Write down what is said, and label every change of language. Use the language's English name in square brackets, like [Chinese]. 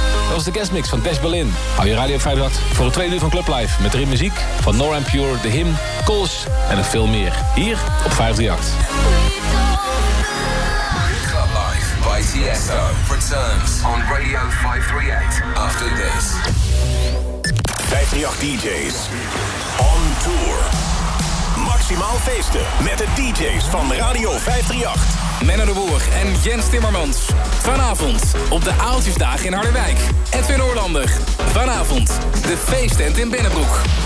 [Dutch] laatste guestmix van Dash Berlin. Hou je radio 5 voor het tweede uur van Club Life. Met erin muziek van Noram Pure, The Hymn, Kools en nog veel meer. Hier op 538. [English] Club Life by Tiesto returns on radio 538 after this. 538 DJ's on tour. [Dutch] Maximaal feesten met de DJ's van Radio 538. Menno de Boer en Jens Timmermans. Vanavond op de Aaltjesdagen in Harderwijk. Edwin Oorlander. Vanavond de feesttent in Binnenbroek.